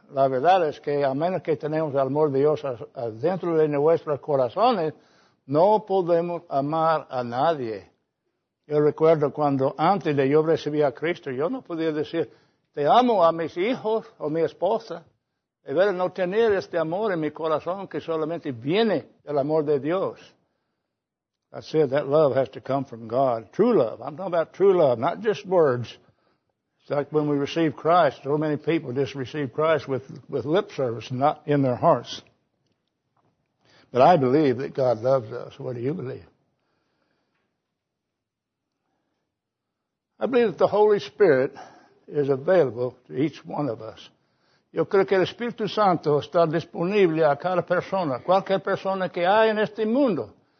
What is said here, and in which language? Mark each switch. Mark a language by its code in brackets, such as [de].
[es] La verdad es que a menos que tenemos el amor de Dios dentro de nuestros corazones, no podemos amar a nadie. Yo recuerdo cuando antes de yo recibir a Cristo, yo no podía decir, te amo a mis hijos o mi esposa. De verdad, no tener este amor en mi corazón que solamente viene del amor de Dios. [en] I said that love has to come from God. True love. I'm talking about true love, not just words. It's like when we receive Christ, so many people just receive Christ with lip service, not in their hearts. But I believe that God loves us. What do you believe? I believe that the Holy Spirit is available to each one of us. [es] Yo creo que el Espíritu Santo está disponible a cada persona, cualquier persona que hay en este mundo.